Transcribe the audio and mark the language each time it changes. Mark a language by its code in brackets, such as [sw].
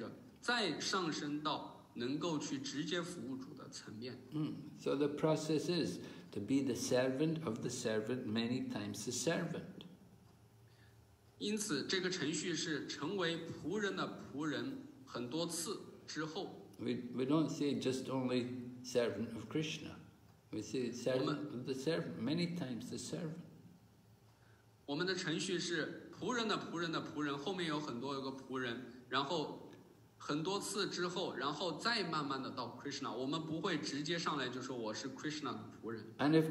[zh] 我们开始也不是去直接的服务主，而是要去准备，而且要有这样的心态，不要有这样的心态，就是说我只是去服务主。我们应该有的心态是我想要去服务主的奉献者，然后通过去服务主的奉献者，再上升到 能够去直接服务主的层面。 [en] So the process is to be the servant of the servant many times the servant. [zh] 因此这个程序是成为仆人的仆人很多次之后。 [en] We don't say just only servant of Krishna. We say servant of the servant many times the servant. [zh] 我们的程序是仆人的仆人的仆人，后面有很多有个仆人，然后 很多次之后，然后再慢慢的到 Krishna，我们不会直接上来就说我是 Krishna 的仆人。And